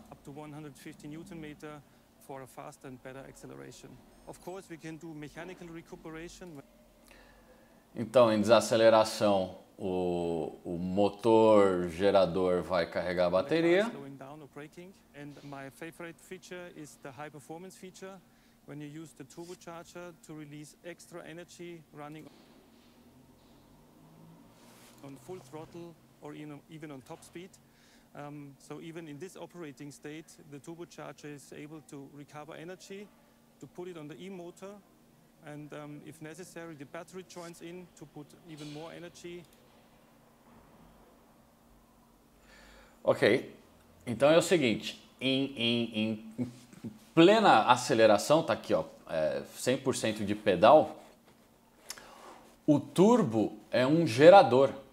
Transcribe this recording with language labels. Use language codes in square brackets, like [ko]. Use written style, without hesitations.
[en] Up to 150 Nm for a faster and better acceleration. Of course, we can do mechanical recuperation. [pt] Então, em desaceleração, o motor gerador vai carregar a bateria. [en] And my favorite feature is the high performance feature when you use the turbocharger to release extra energy running on full throttle or even on top speed. So even in this operating state, the turbocharger is able to recover energy to put it on the e-motor and if necessary the battery joins in to put even more energy. Ok. [pt] Então é o seguinte, em plena aceleração, tá aqui ó, 100% de pedal, o turbo é um gerador.